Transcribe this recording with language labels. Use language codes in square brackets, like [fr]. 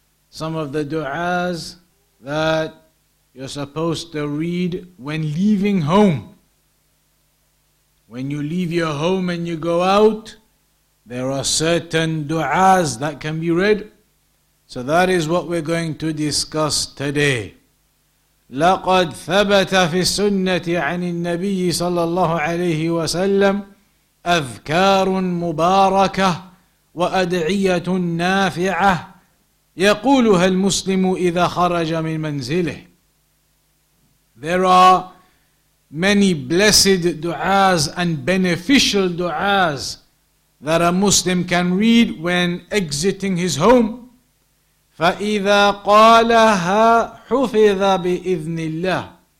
[en] Some of the du'as that you're supposed to read when leaving home. When you leave your home and you go out, there are certain du'as that can be read. So that is what we're going to discuss today. [ar] لقد ثبت في السنة عن النبي صلى الله عليه وسلم أذكار مباركة وأدعية نافعة يقولها المسلم إذا خرج من منزله. [en] There are many blessed du'as and beneficial du'as that a Muslim can read when exiting his home. [ar] فَإِذَا قَالَهَا حُفِظَ بِإِذْنِ اللَّهِ.